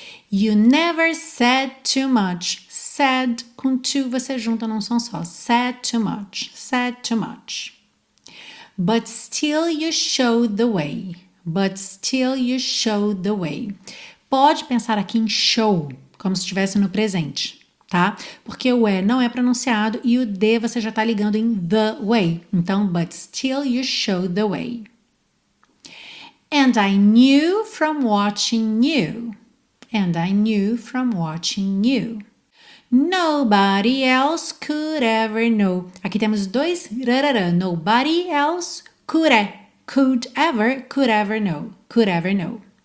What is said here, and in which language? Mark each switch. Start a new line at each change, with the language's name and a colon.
English: You never said too much.
Portuguese: Said com to, você junta num som só.
English: Said too much. Said too much. But still you showed the way. But still you showed the way.
Portuguese: Pode pensar aqui em show, como se estivesse no presente, tá? Porque o E não é pronunciado e o D você já tá ligando em the way.
English: Então, but still you showed the way. And I knew from watching you. And I knew from watching you. Nobody else could ever know.
Portuguese: Aqui temos dois rarara.
English: Nobody else could ever know. Could ever know.